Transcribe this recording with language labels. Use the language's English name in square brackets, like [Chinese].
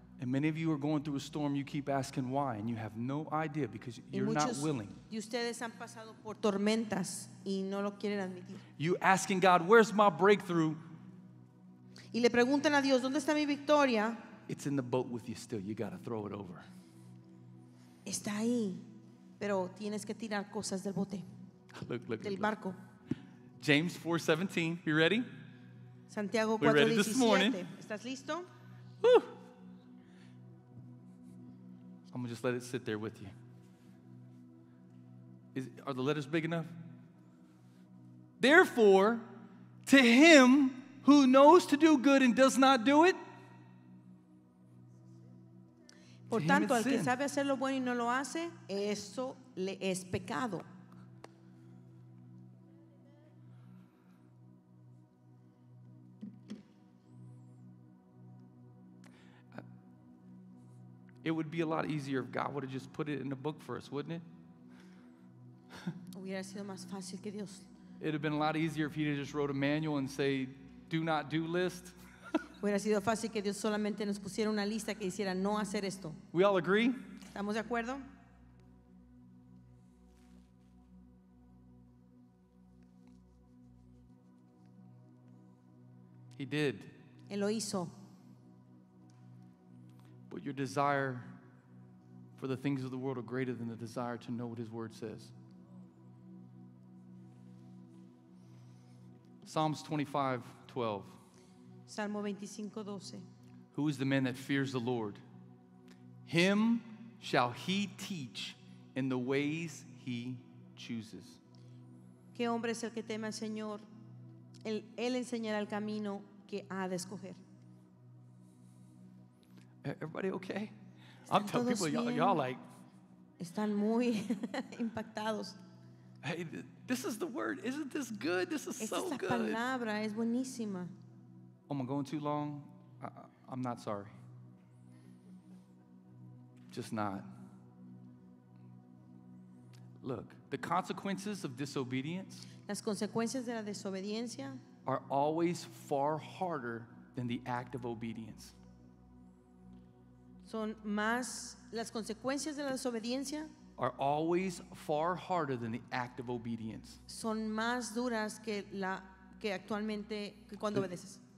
[English] And many of you are going through a storm. You keep asking why, and you have no idea because you're not willing. [Spanish] Y ustedes han pasado por tormentas y no lo quieren admitir. [English] You asking God, "Where's my breakthrough?" [Spanish] Y le preguntan a Dios, "¿Dónde está mi victoria?" [English] It's in the boat with you still. You got to throw it over. [Spanish] Está ahí, pero tienes que tirar cosas del bote. [English] Look, [Spanish] del barco. [English] James 4:17. You ready? [Spanish] Santiago 4:17. ¿Estás listo? [English] I'm going to just let it sit there with you. Are the letters big enough? "Therefore, to him who knows to do good and does not do it, [Spanish] por tanto, al que sabe hacer lo bueno y no lo hace, eso le es pecado." [English] It would be a lot easier if God would have just put it in the book for us, wouldn't it? [Spanish] Hubiera sido más fácil que Dios. [English] It would have been a lot easier if he had just wrote a manual and say, "Do not do list." [Spanish] Hubiera sido fácil que Dios solamente nos pusiera una lista que hiciera no hacer esto. [English] We all agree? [Spanish] ¿Estamos de acuerdo? [English] He did. [Spanish] Él lo hizo. [English] But your desire for the things of the world are greater than the desire to know what his word says. Psalms 25:12. [Spanish] Salmo 25, 12. [English] Who is the man that fears the Lord? Him shall he teach in the ways he chooses. [Spanish] ¿Qué hombre es el que teme al Señor? Él enseñará el camino que ha de escoger. [English] Everybody okay? I'm telling people, y'all like. [Spanish] Están muy impactados. [English] Hey, this is the word. Isn't this good? This is [Spanish] esta [English] so good. [Spanish] Esta es la palabra. Es buenísima. [English] Am I going too long? I'm not sorry. Just not. Look, the consequences of disobedience. [Spanish] Las consecuencias de la desobediencia. [English] Are always far harder than the act of obedience. [Spanish] Son más las consecuencias de la desobediencia. [English] Are always far harder than the act of obedience. [Spanish] Son más duras que actualmente que cuando obedeces.